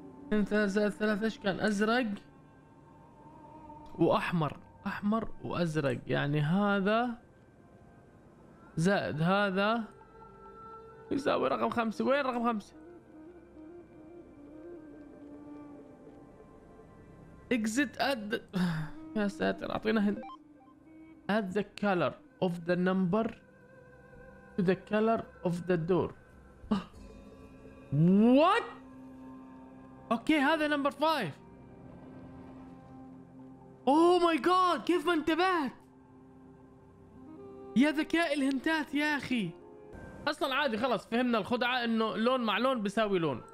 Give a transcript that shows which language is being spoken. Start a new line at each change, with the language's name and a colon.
Arabic: 2+3 ايش كان؟ ازرق واحمر. احمر وازرق يعني هذا زائد هذا يساوي رقم 5. وين رقم 5؟ exit add.
English: يا ساتر اعطينا هنا add the color of the number to the color of the door.
Arabic: what اوكي هذا نمبر 5. اوه ماي جاد كيف ما انتبهت يا ذكاء الهنتات يا اخي. اصلا عادي خلاص فهمنا الخدعه انه لون مع لون بيساوي لون.